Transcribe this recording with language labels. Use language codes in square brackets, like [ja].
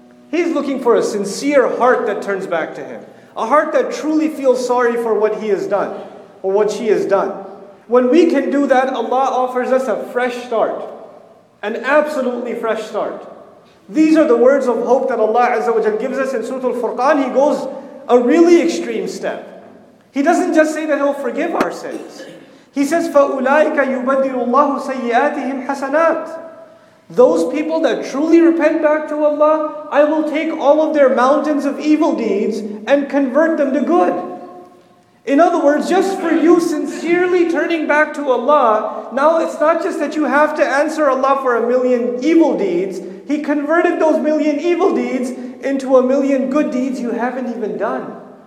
[en] He's looking for a sincere heart that turns back to Him. A heart that truly feels sorry for what He has done, or what she has done. When we can do that, Allah offers us a fresh start. An absolutely fresh start. These are the words of hope that Allah Azza wa Jalla gives us in Surah Al-Furqan. He goes a really extreme step. He doesn't just say that He'll forgive our sins. He says, [ar] فَأُولَٰئِكَ يُبَدِّلُ اللَّهُ سَيِّئَاتِهِمْ حَسَنَاتٍ. [en] Those people that truly repent back to Allah, I will take all of their mountains of evil deeds and convert them to good. In other words, just for you sincerely turning back to Allah, now it's not just that you have to answer Allah for a million evil deeds, He converted those million evil deeds into a million good deeds you haven't even done.